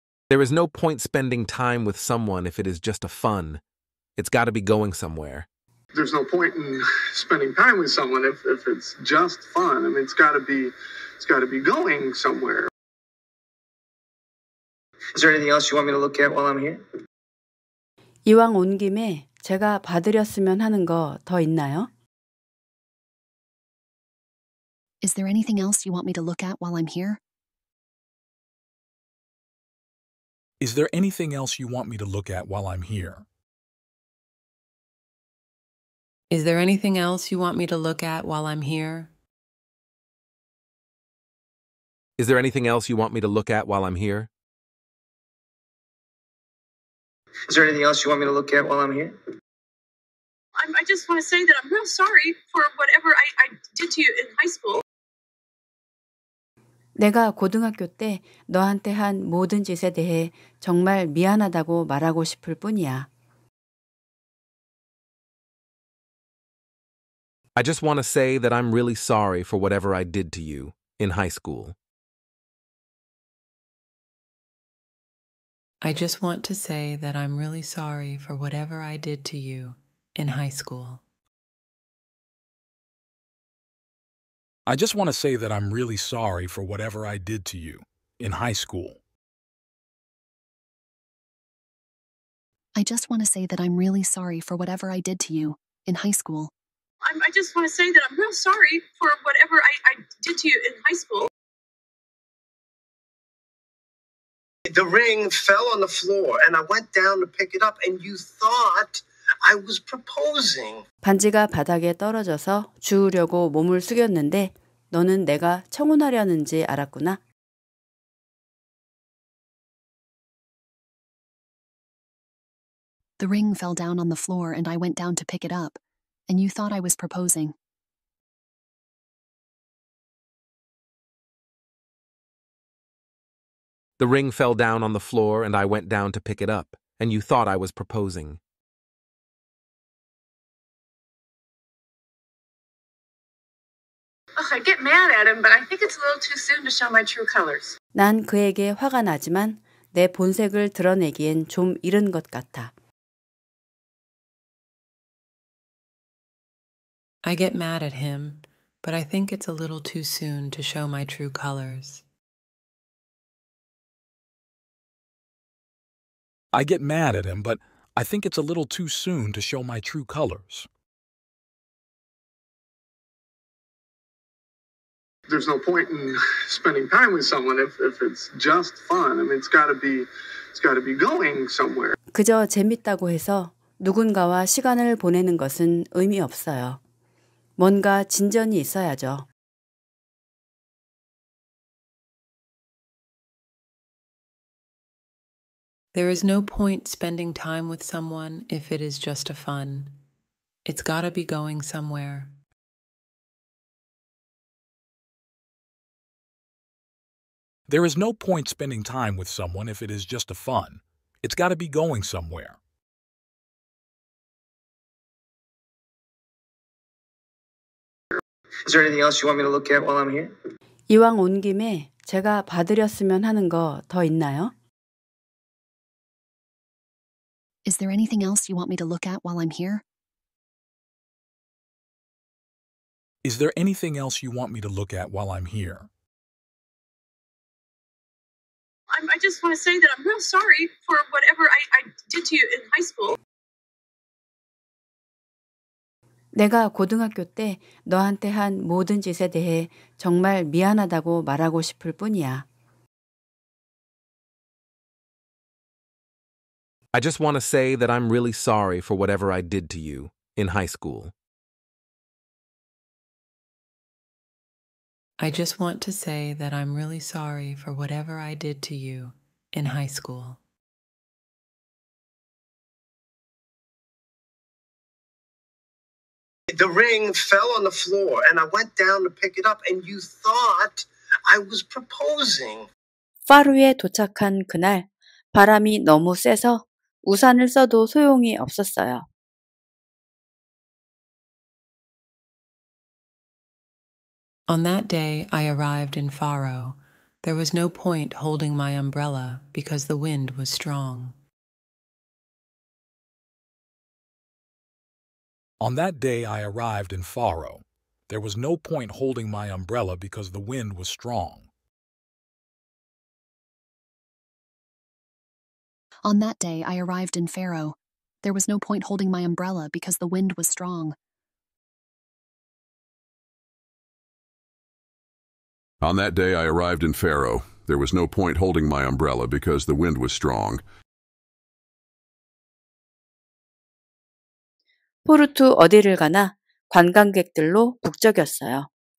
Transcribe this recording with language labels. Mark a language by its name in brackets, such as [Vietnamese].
[English] There is no point spending time with someone if it is just a fun. It's got to be going somewhere. There's no point in spending time with someone if it's just fun. I mean, it's got to be going somewhere. Is there anything else you want me to look at while I'm here? [Korean] 이왕 온 김에 제가 봐드렸으면 하는 거 더 있나요? [English] Is there anything else you want me to look at while I'm here? Is there anything else you want me to look at while I'm here? Is there anything else you want me to look at while I'm here? Is there anything else you want me to look at while I'm here? Is there anything else you want me to look at while I'm here? I just want to say that I'm real sorry for whatever I did to you in high school. [Korean] 내가 고등학교 때 너한테 한 모든 짓에 대해 정말 미안하다고 말하고 싶을 뿐이야. [English] I just want to say that I'm really sorry for whatever I did to you in high school. I just want to say that I'm really sorry for whatever I did to you in high school. I just want to say that I'm really sorry for whatever I did to you in high school. I just want to say that I'm really sorry for whatever I did to you in high school. I just want to say that I'm real sorry for whatever I did to you in high school. The ring fell on the floor and I went down to pick it up and you thought I was proposing. [Korean] 반지가 바닥에 떨어져서 주우려고 몸을 숙였는데 너는 내가 청혼하려는지 알았구나. [English] The ring fell down on the floor and I went down to pick it up. And you thought I was proposing. The ring fell down on the floor and I went down to pick it up. And you thought I was proposing. Ugh, I get mad at him, but I think it's a little too soon to show my true colors. [Korean] 난 그에게 화가 나지만 내 본색을 드러내기엔 좀 이른 것 같아. [English] I get mad at him, but I think it's a little too soon to show my true colors. I get mad at him, but I think it's a little too soon to show my true colors. There's no point in spending time with someone if it's just fun. I mean, it's got to be going somewhere. [Korean] 그저 재밌다고 해서 누군가와 시간을 보내는 것은 의미 없어요. 뭔가 진전이 있어야죠. [English] There is no point spending time with someone if it is just a fun. It's gotta be going somewhere. There is no point spending time with someone if it is just a fun. It's gotta be going somewhere. Is there anything else you want me to look at while I'm here? [Korean] 이왕 온 김에 제가 봐드렸으면 하는 거 더 있나요? [English] Is there anything else you want me to look at while I'm here? Is there anything else you want me to look at while I'm here? I just want to say that I'm real sorry for whatever I did to you in high school. [Korean] 내가 고등학교 때 너한테 한 모든 짓에 대해 정말 미안하다고 말하고 싶을 뿐이야. [English] I just want to say that I'm really sorry for whatever I did to you in high school. I just want to say that I'm really sorry for whatever I did to you in high school. The ring fell on the floor and I went down to pick it up and you thought I was proposing. [Korean] 파루에 도착한 그날 바람이 너무 세서 우산을 써도 소용이 없었어요. [English] On that day I arrived in Faro. There was no point holding my umbrella because the wind was strong. On that day I arrived in Faro. There was no point holding my umbrella because the wind was strong. On that day I arrived in Faro. There was no point holding my umbrella because the wind was strong. On that day I arrived in Faro. There was no point holding my umbrella because the wind was strong. [Korean] 포르투 어디를 가나 관광객들로 북적였어요.